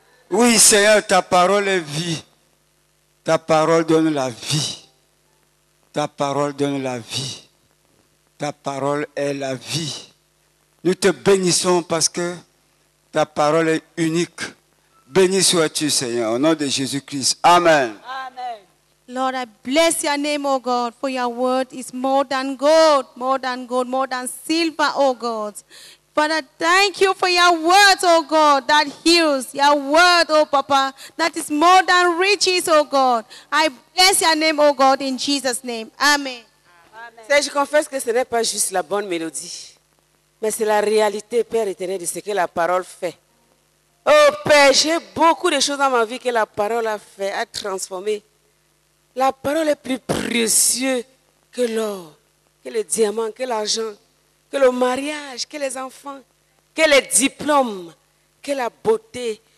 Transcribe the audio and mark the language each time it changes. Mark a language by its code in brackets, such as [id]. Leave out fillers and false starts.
[fr] Oui, Seigneur, ta parole est vie. Ta parole donne la vie. Ta parole donne la vie. Ta parole est la vie. Nous te bénissons parce que ta parole est unique. Béni sois-tu, Seigneur, au nom de Jésus-Christ. Amen. Amen. [en] Lord, I bless your name, O God, for your word is more than gold, more than gold, more than silver, O God. Father, thank you for your word, O God, that heals. Your word, O Papa, that is more than riches, O God. I bless your name, O God, in Jesus' name. Amen. Amen. [fr] Seigneur, je confesse que ce n'est pas juste la bonne mélodie, mais c'est la réalité, Père éternel, de ce que la parole fait. Oh Père, j'ai beaucoup de choses dans ma vie que la parole a fait, a transformé. La parole est plus précieuse que l'or, que le diamant, que l'argent, que le mariage, que les enfants, que les diplômes, que la beauté.